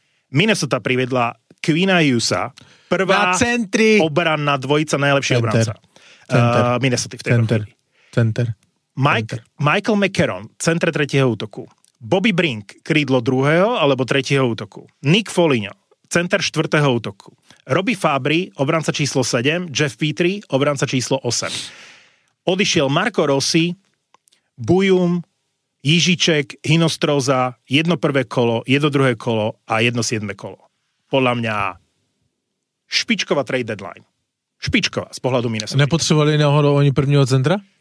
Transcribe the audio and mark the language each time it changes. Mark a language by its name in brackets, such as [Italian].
[Slovak] Minnesota priviedla Quina Hughesa, prvá obranná dvojica, najlepšia center. Obranca. Minnesota v tej center. Center. Mike, center. Michael McCarron, centre tretieho útoku. Bobby Brink, krídlo druhého alebo tretieho útoku. Nick Foligno, center štvrtého útoku. Robbie Fabry, obranca číslo 7. Jeff Petrie, obranca číslo 8. Odišiel Marco Rossi, Bujum, Jižiček, Hinostroza, jedno prvé kolo, jedno druhé kolo a jedno siedme kolo. Podľa mňa špičková trade deadline. Špičková, z pohľadu Minnesota. [Czech] Nepotřebovali náhodou oni prvního centra?